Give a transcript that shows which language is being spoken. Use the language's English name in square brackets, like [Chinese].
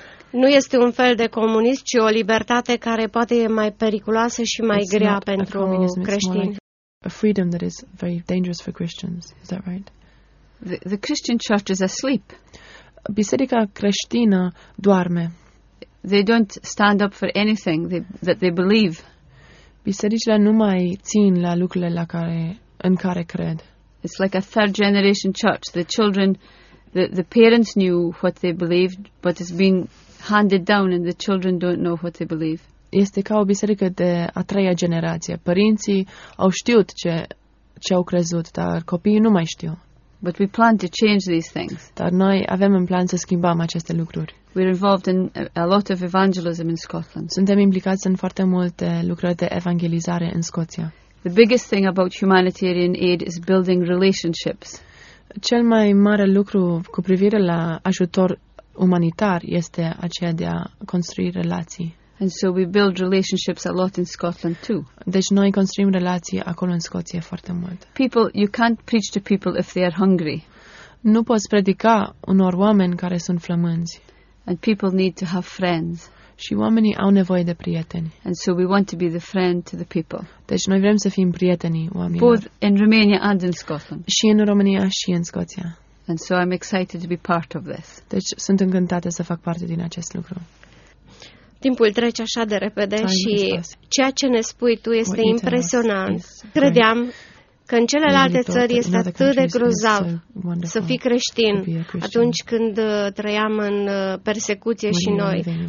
[Romanian] Nu este un fel de comunism, ci o libertate care poate e mai periculoasă și mai grea pentru creștini. [English] A freedom that is very dangerous for Christians, is that right? The Christian church is asleep. [Romanian] Biserica creștină doarme. [English] They don't stand up for anything that they believe. [Romanian] Bisericile nu mai țin la lucrurile la care, în care cred. [English] It's like a third generation church. The children, the parents knew what they believed, but it's been handed down and the children don't know what they believe. [Romanian] Este ca o biserică de a treia generație. Părinții au știut ce au crezut, dar copiii nu mai știu. [English] But we plan to change these things. [Romanian] Dar noi avem în plan să schimbăm aceste lucruri. [English] We're involved in a lot of evangelism in Scotland. [Romanian] Suntem implicați în foarte multe lucrări de evangelizare în Scoția. [English] The biggest thing about humanitarian aid is building relationships. [Romanian] Cel mai mare lucru cu privire la ajutor umanitar este aceea de a construi relații. [English] And so we build relationships a lot in Scotland too. [Romanian] Deci noi construim relații acolo în Scoția foarte mult. [English] People, you can't preach to people if they are hungry. [Romanian] Nu poți predica unor oameni care sunt flămânzi. [English] And people need to have friends. [Romanian] Și oamenii au nevoie de prieteni. [English] And so we want to be the friend to the people. [Romanian] Deci noi vrem să fim prietenii oamenilor. [English] Both in Romania and in Scotland. [Romanian] Și în România și în Scoția. [English] And so I'm excited to be part of this. [Romanian] Deci sunt încântată să fac parte din acest lucru. Timpul trece așa de repede și ceea ce ne spui tu este impresionant. Credeam că în celelalte țări este atât de grozav să fii creștin atunci când trăiam în persecuție și noi.